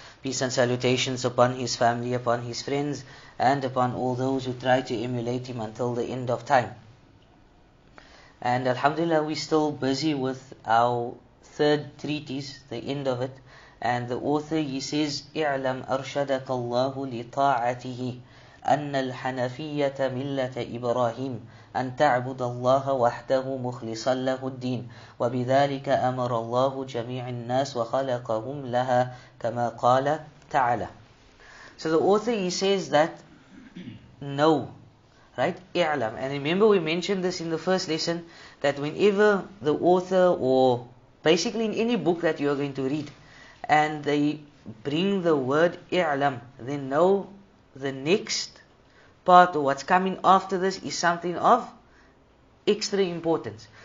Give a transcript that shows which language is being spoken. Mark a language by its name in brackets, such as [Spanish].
[English] Peace and salutations upon his family, upon his friends, and upon all those who try to emulate him until the end of time. And alhamdulillah, we're still busy with our third treatise, the end of it. And the author, he says, [Arabic] اعلم أرشدك الله لطاعته أن الحنفية ملة إبراهيم أن تعبد الله وحده مخلصا له الدين وبذلك أمر الله جميع الناس وخلقهم لها كما قال تعالى. [English] So the author, he says that no. Right? I'lam. And remember, we mentioned this in the first lesson, that whenever the author, or basically in any book that you are going to read, and they bring the word I'lam, then know the next part or what's coming after this is something of extra importance.